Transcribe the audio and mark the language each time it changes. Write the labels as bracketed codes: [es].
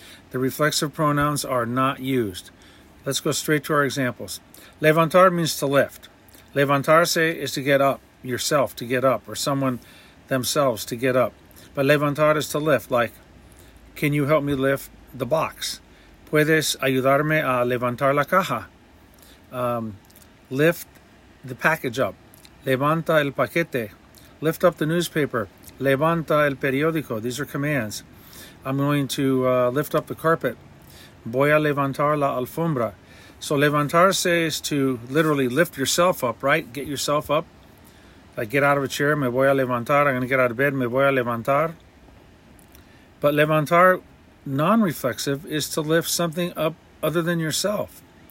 [en] The reflexive pronouns are not used. Let's go straight to our examples. Levantar means to lift. Levantarse is to get up, yourself to get up, or someone themselves to get up. But levantar is to lift, like, can you help me lift the box? [es] Puedes ayudarme a levantar la caja? [en] Lift the package up. [es] Levanta el paquete. [en] Lift up the newspaper. [es] Levanta el periódico. [en] These are commands. I'm going to lift up the carpet. [es] Voy a levantar la alfombra. [en] So levantarse is to literally lift yourself up, right? Get yourself up. Like, get out of a chair. [es] Me voy a levantar. [en] I'm going to get out of bed. Me voy a levantar. But levantar non-reflexive is to lift something up other than yourself.